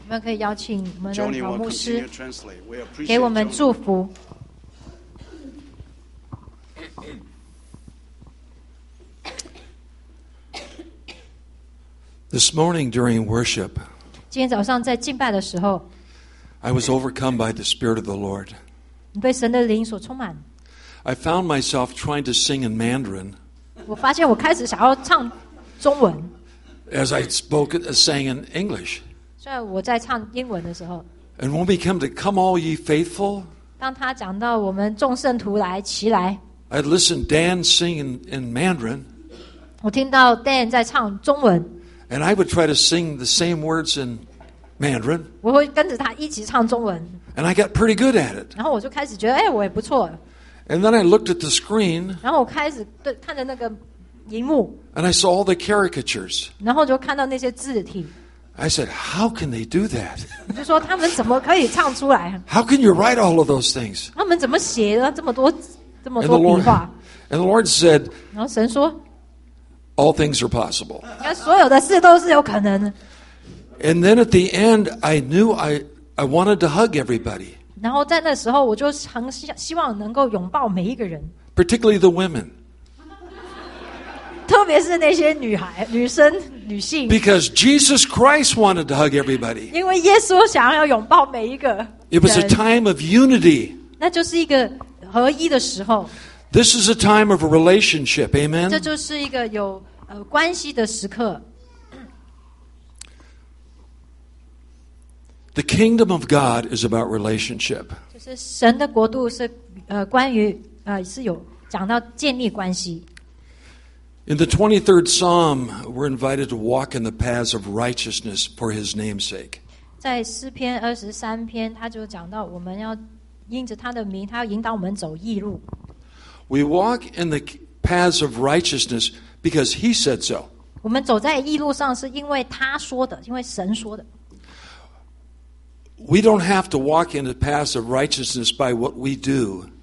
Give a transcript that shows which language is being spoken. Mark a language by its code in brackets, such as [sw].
[zh] 我们可以邀请我们的老牧师 [en] translate. We appreciate [zh] 给我们祝福。 [en] This morning during worship, [zh] 今天早上在敬拜的时候, [en] I was overcome by the Spirit of the Lord. [zh] 你被神的灵所充满。 [en] I found myself trying to sing in Mandarin. [zh] 我发现我开始想要唱中文。 [en] as I spoke, sang in English. [zh] 虽然我在唱英文的时候。 [en] And when we come to come all ye faithful, [zh] 当他讲到我们众圣徒来齐来。 [en] I listened Dan sing in Mandarin. [zh] 我听到 Dan 在唱中文。 [en] And I would try to sing the same words in Mandarin. [zh] 我会跟着他一起唱中文。 [en] And I got pretty good at it. [zh] 然后我就开始觉得，哎，我也不错。 [en] And then I looked at the screen. [zh] 然后我开始对看着那个荧幕。 [en] And I saw all the caricatures. [zh] 然后就看到那些字体。 [en] I said, "How can they do that?" [zh] 我就说他们怎么可以唱出来 [en] ？How can you write all of those things? [zh] 他们怎么写的这么多这么多笔画 [en] ？And the Lord said. [zh] 然后神说 [en] ，All things are possible. [zh] 那所有的事都是有可能。 [en] And then at the end, I knew I wanted to hug everybody. [zh] 然后在那时候，我就常希望能够拥抱每一个人 [en] ，particularly the women. [zh] 特别是那些女孩、女生、女性 [en] ，because Jesus Christ wanted to hug everybody. [zh] 因为耶稣想要拥抱每一个人。 [en] It was a time of unity. [zh] 那就是一个合一的时候。 [en] This is a time of a relationship. Amen. [zh] 这就是一个有关系的时刻。 [en] The kingdom of God is about relationship. [zh] 就是神的国度是关于是有讲到建立关系。 [en] In the 23rd Psalm, we're invited to walk in the paths of righteousness for His name's sake. [zh] 在诗篇二十三篇，他就讲到我们要因着他的名，他要引导我们走义路。 [en] We walk in the paths of righteousness because He said so. [zh] 我们走在义路上是因为他说的，因为神说的。 [en] We don't have to walk in the paths of righteousness by what we do.